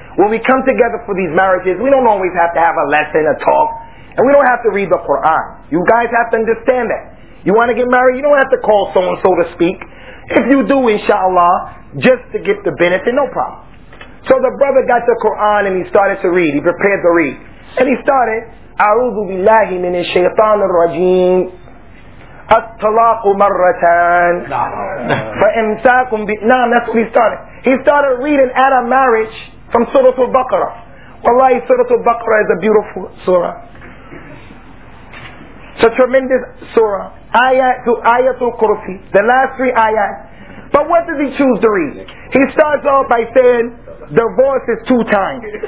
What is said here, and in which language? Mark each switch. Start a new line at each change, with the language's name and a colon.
English: When we come together for these marriages, we don't always have to have a lesson, a talk, and we don't have to read the Quran. You guys have to understand that. You want to get married, you don't have to call so-and-so to speak. If you do, inshallah, just to get the benefit, no problem. So the brother got the Quran and he started to read. He prepared to read. And he started,
Arabic: أَعُوذُ بِاللَّهِ مِنَ الشَّيْطَانِ الرَّجِيمِ أَتْطَلَاقُ مَرَّتَانِ فَإِمْسَاكُمْ بِإِنَامِ.
English: That's what he started. He started reading at a marriage from Surah Al-Baqarah. Wallahi, Surah Al-Baqarah is a beautiful surah. It's a tremendous surah. Ayat to Ayatul Kursi, the last three ayat. But what does he choose to read? He starts off by saying, divorce is two times.